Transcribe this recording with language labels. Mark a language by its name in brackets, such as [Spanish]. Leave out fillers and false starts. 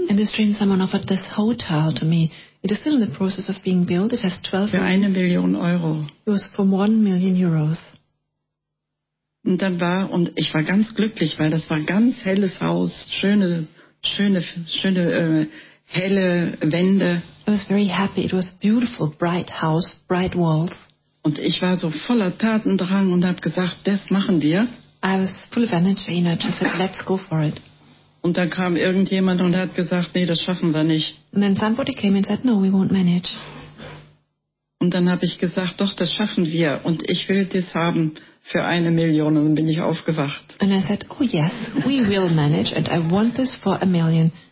[English] In this dream, someone offered this hotel to me. It is still in the process of being built. It has 12 [German] rooms. Für 1 Million Euro. [English] It was for 1 million euros. [German] Und dann war, und ich war ganz glücklich, weil das war ein ganz helles Haus, schöne, helle Wände. [English] I was very happy. It was a beautiful, bright house, bright walls. [German] Und ich war so voller Tatendrang und habe gesagt, das machen wir. [English] I was full of energy and I just said, let's go for it. [German] Und dann kam irgendjemand und hat gesagt, nee, das schaffen wir nicht. [English] And then somebody came and said, no, we won't manage. [German] Und dann habe ich gesagt, doch, das schaffen wir. Und ich will das haben für 1 Million. Und dann bin ich aufgewacht. [English] And I said, oh yes, we will manage and I want this for 1 million.